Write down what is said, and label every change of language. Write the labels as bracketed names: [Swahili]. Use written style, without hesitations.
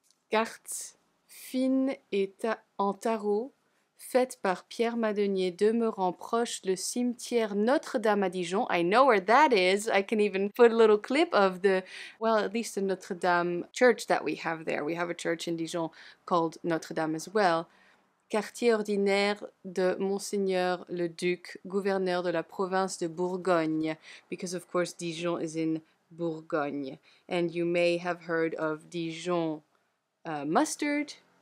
[French] Carte fine et en tarot, faite par Pierre Madenié, demeurant proche le cimetière Notre-Dame à Dijon. [English] I know where that is. I can even put a little clip of the, well, at least the Notre-Dame church that we have there. We have a church in Dijon called Notre-Dame as well. [French] Quartier ordinaire de Monseigneur le Duc, gouverneur de la province de Bourgogne. [English] Because, of course, Dijon is in Bourgogne. And you may have heard of Dijon mustard.